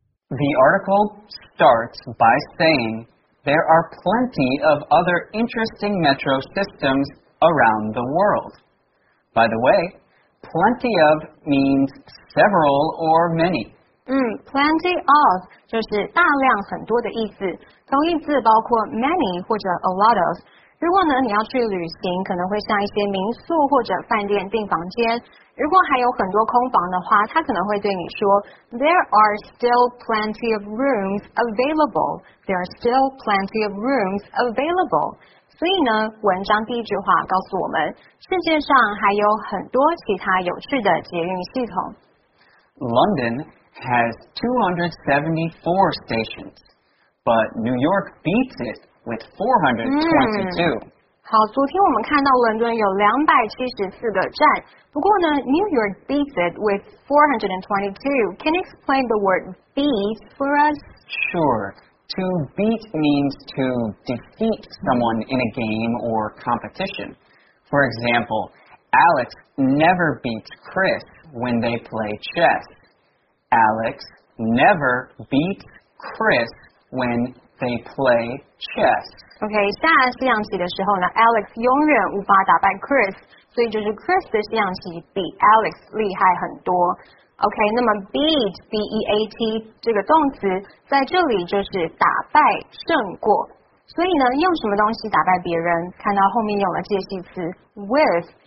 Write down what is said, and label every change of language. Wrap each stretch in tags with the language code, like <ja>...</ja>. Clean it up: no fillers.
<en>The article starts by saying there are plenty of other interesting metro systems around the world. By the way, plenty of means several or many.</en> <zh>Plenty of 就是大量很多的意思。同义字包括 many 或者 a lot of。如果呢你要去旅行，可能会像一些民宿或者饭店订房间。如果还有很多空房的话，他可能会对你说 ，</zh> <en>There are still plenty of rooms available.</en> <zh>There are still plenty of rooms available. 所以呢，文章第一句话告诉我们，世界上还有很多其他有趣的捷运系统。</zh> <en>London has 274 stations. But New York beats it with 422.</en> <zh>好，昨天我们看到伦敦有274个站。不过呢</zh> <en>，New York beats it with 422. Can you explain the word beat for us? Sure. To beat means to defeat someone in a game or competition. For example, Alex never beats Chris when they play chess. Alex never beats Chris when they play chess.</en> <zh>Okay, 下西洋棋的时候呢 ，Alex 永远无法打败 Chris， 所以就是 Chris 的西洋棋比 Alex 厉害很多。 OK， 那么 beat B E A T 这个动词在这里就是打败、胜过。所以呢，用什么东西打败别人？看到后面用了介系词 with。</zh>